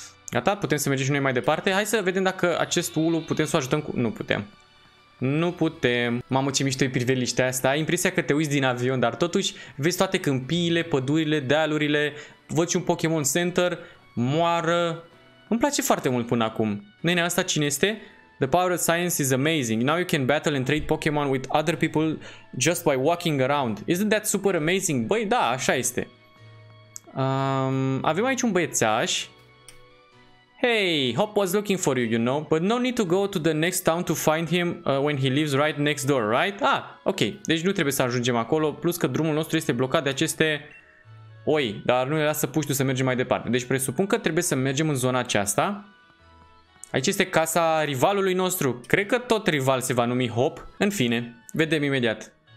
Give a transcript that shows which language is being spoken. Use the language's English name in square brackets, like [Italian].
[Romanian] Gata, putem să mergem și noi mai departe. Hai să vedem dacă acest ulu putem să o ajutăm cu... Nu putem. Nu putem. Mamă, ce mișto e priveliștea asta. Ai impresia că te uiți din avion, dar totuși vezi toate câmpiile, pădurile, dealurile. Văd un Pokémon Center. Moară. Îmi place foarte mult până acum. Nenea asta cine este? [English] The power of science is amazing. Now you can battle and trade Pokémon with other people just by walking around. Isn't that super amazing? [Romanian] Băi, da, așa este. Avem aici un băiețaș. [English] Hey, Hop was looking for you, you know, but no need to go to the next town to find him when he lives right next door, right? [Romanian] Ah, ok, deci nu trebuie să ajungem acolo, plus că drumul nostru este blocat de aceste oi, dar nu ne lasă puștiu să mergem mai departe. Deci presupun că trebuie să mergem în zona aceasta. Aici este casa rivalului nostru, cred că tot rival se va numi Hop, în fine, vedem imediat.